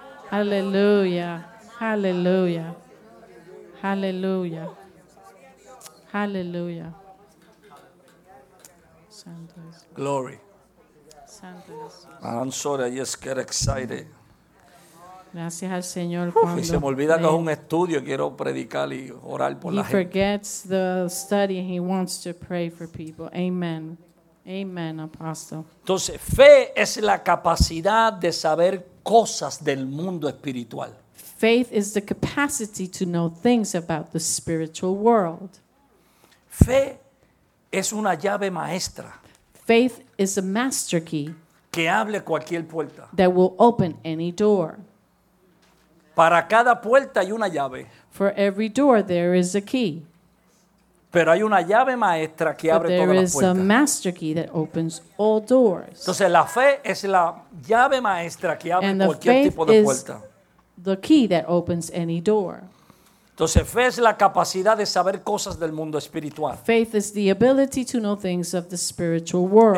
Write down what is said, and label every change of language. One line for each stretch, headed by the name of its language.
English: Hallelujah. Hallelujah. Hallelujah. Hallelujah. Glory.
Spanish: Santos.
English: I'm sorry, I just get excited.
Spanish: Gracias al Señor. Y se me olvida que es un estudio, quiero predicar y orar por la gente.
English: He forgets the study and he wants to pray for people. Amen. Amen, apostle.
Spanish: Entonces, fe es la capacidad de saber cosas del mundo espiritual.
English: Faith is the capacity to know things about the spiritual world.
Spanish: Fe es una llave maestra.
English: Faith is a master key.
Spanish: Que abre cualquier puerta.
English: That will open any door.
Spanish: Para cada puerta hay una llave.
English: For every door there is a key.
Spanish: Pero hay una llave maestra que abre todas las puertas.
English: There is a master key that opens all doors.
Spanish: Entonces la fe es la llave maestra que abre cualquier tipo de puerta.
English: And the key that opens any door.
Spanish: Entonces fe es la capacidad de saber cosas del mundo espiritual.
English: Faith is the ability to know things of the spiritual world.